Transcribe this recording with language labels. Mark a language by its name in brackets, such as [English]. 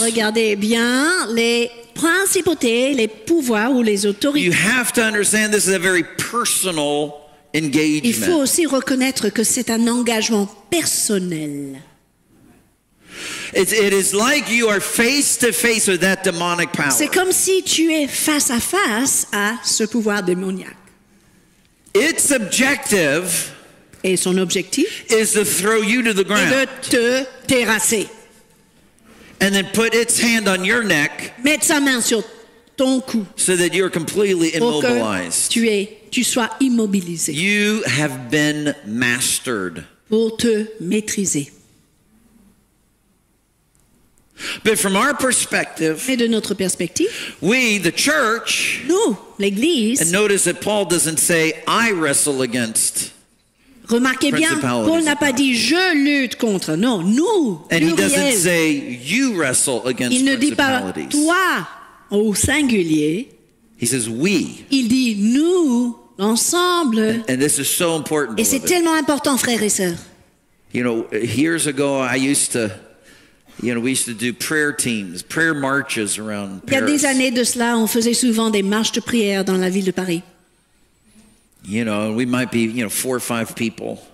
[French] regardez bien les principautés, les pouvoirs ou les autorités. [English] You have to understand this is a very personal engagement. [French] Il faut aussi reconnaître que c'est un engagement personnel. [English] It is like you are face to face with that demonic power. [French] C'est comme si tu es face à face à ce pouvoir démoniaque. [English] Its objective, [French] et son objectif, [English] is to throw you to the ground, [French] et de te terrasser, [English] and then put its hand on your neck, [French] mettre sa main sur ton cou, [English] so that you are completely immobilized. [French] Pour que tu sois immobilisé. [English] You have been mastered. [French] Pour te maîtriser. [English] But from our perspective, [French] mais de notre perspective, [English] we, the church, [French] nous, l'Église, [English] and notice that Paul doesn't say, I wrestle against. [French] Remarquez bien, Paul n'a pas dit je lutte contre. Non, nous. [English] And he doesn't say you wrestle against principalities. [French] Il ne dit pas toi au singulier. [English] He says we. [French] Il dit nous ensemble. [English] And this is so important. [French] Et c'est tellement important, frères et sœurs. [English] You know, years ago, we used to do prayer teams, prayer marches around Paris. [French] Il y a des années de cela, on faisait souvent des marches de prière dans la ville de Paris. [English] You know, we might be, you know, 4 or 5 people.